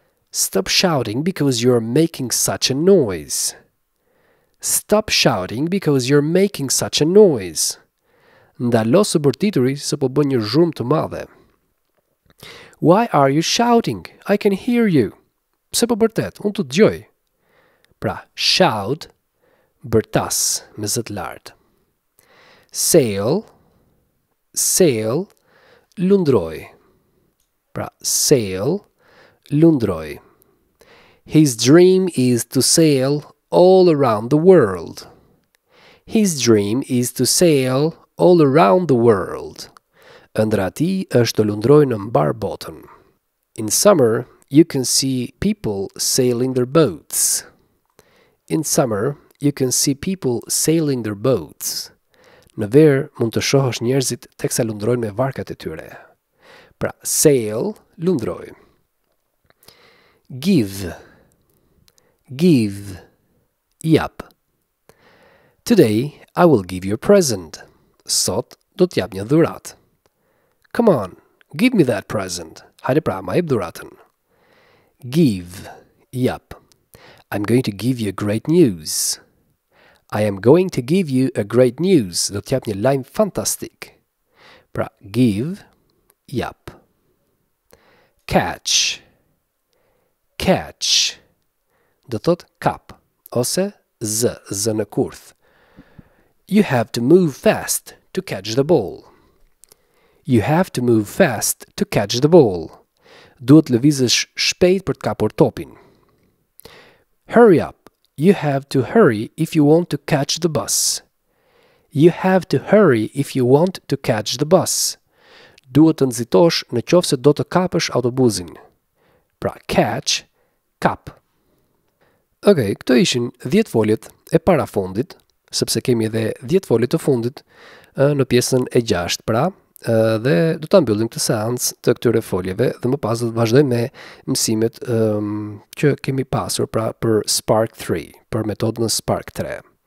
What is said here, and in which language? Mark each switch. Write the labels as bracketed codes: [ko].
[en] Stop shouting because you're making such a noise. Stop shouting because you're making such a noise. [sq] Ndalo së bërtituri se po bën një zhurmë të madhe. [en] Why are you shouting? I can hear you. [sq] Pse po bërtet? Unë të dëgjoj. Pra shout bërtas me zë të lartë. Sail. Sail. Lundroj. Pra, sail, lundroj. [en] His dream is to sail all around the world. His dream is to sail all around the world. [sq] Ëndra ti është të lundroj në mbar botën. [en] In summer, you can see people sailing their boats. In summer, you can see people sailing their boats. [sq] Në verë, mund të shohësh njerëzit teksa lundrojnë me varkat e tyre. Pra, sail, lundroj. Give. give. Jap. [en] Today, I will give you a present. [sq] Sot do t'jap një dhurat. [en] Come on, give me that present. [sq] Hajde pra, ma jep dhuratën. [en] Give. Jap. I'm going to give you great news. I am going to give you a great news. [sq] Do t'jap një lajm fantastik. Pra, give. Jap. Catch. Catch. Do thot kap. Ose z, z në kurth. [en] You have to move fast to catch the ball. You have to move fast to catch the ball. [sq] Duhet lëvizesh shpejt për të kapur topin. [en] Hurry up. You have to hurry if you want to catch the bus. You have to hurry if you want to catch the bus. [sq] Duhet të nxitosh në qofse do të kapësh autobusin. Pra catch, kap. Okay, këto ishin 10 foljet e parafundit, sepse kemi edhe 10 foljet të fundit në pjesën e 6, pra, dhe do ta mbyllim këtë seancë të këtyre foljeve dhe më pas do të vazhdojmë me mësimet që kemi pasur pra për Spark 3, për metodën Spark 3.